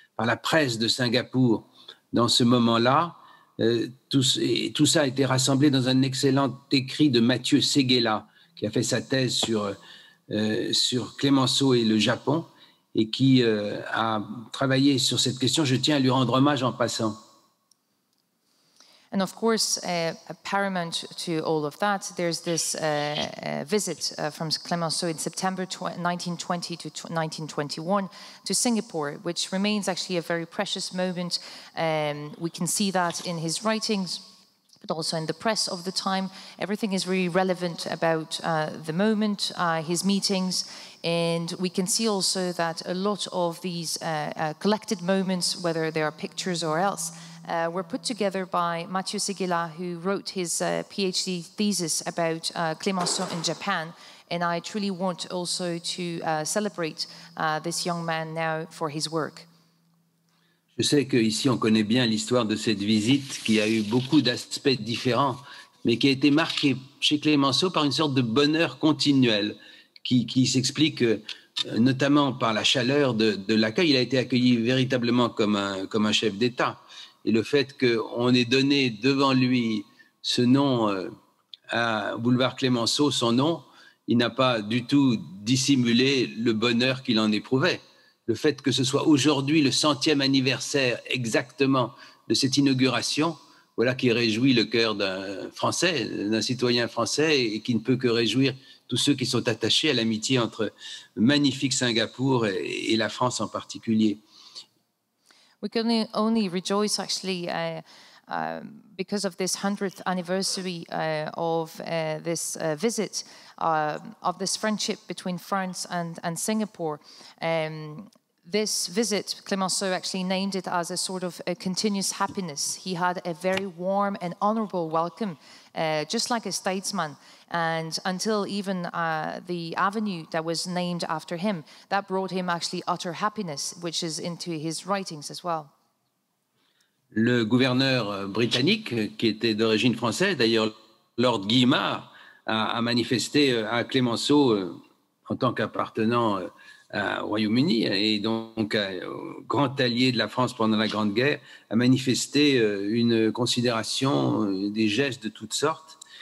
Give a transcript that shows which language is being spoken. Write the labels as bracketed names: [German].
[French] par la presse de Singapour dans ce moment-là. Tout ça a été rassemblé dans un excellent écrit de Mathieu Seguela, qui a fait sa thèse sur Clemenceau et le Japon, et qui a travaillé sur cette question. Je tiens à lui rendre hommage en passant. [English] And of course, paramount to all of that, there's this visit from Clemenceau in September 1920 to 1921 to Singapore, which remains actually a very precious moment. We can see that in his writings, but also in the press of the time. Everything is really relevant about the moment, his meetings. And we can see also that a lot of these collected moments, whether they are pictures or else, were put together by Mathieu Seguela, who wrote his PhD thesis about Clemenceau in Japan. And I truly want also to celebrate this young man now for his work. [French] Je sais qu'ici, on connaît bien l'histoire de cette visite qui a eu beaucoup d'aspects différents, mais qui a été marquée chez Clemenceau par une sorte de bonheur continuel qui s'explique notamment par la chaleur de l'accueil. Il a été accueilli véritablement comme un chef d'État. Et le fait qu'on ait donné devant lui ce nom à boulevard Clemenceau, son nom, il n'a pas du tout dissimulé le bonheur qu'il en éprouvait. Le fait que ce soit aujourd'hui le 100e anniversaire exactement de cette inauguration, voilà qui réjouit le cœur d'un Français, d'un citoyen français, et qui ne peut que réjouir tous ceux qui sont attachés à l'amitié entre magnifique Singapour et la France en particulier. [English] We can only rejoice, actually, because of this 100th anniversary of this visit, of this friendship between France and Singapore. This visit, Clemenceau actually named it as a sort of a continuous happiness. He had a very warm and honourable welcome, just like a statesman. And until even the avenue that was named after him, that brought him actually utter happiness, which is into his writings as well. [French] Le gouverneur britannique, qui était d'origine française, d'ailleurs Lord Guillemard, a manifesté à Clemenceau en tant qu'appartenant au Royaume-Uni et donc grand allié de la France pendant la Grande Guerre, a manifesté une considération, des gestes de toutes sortes.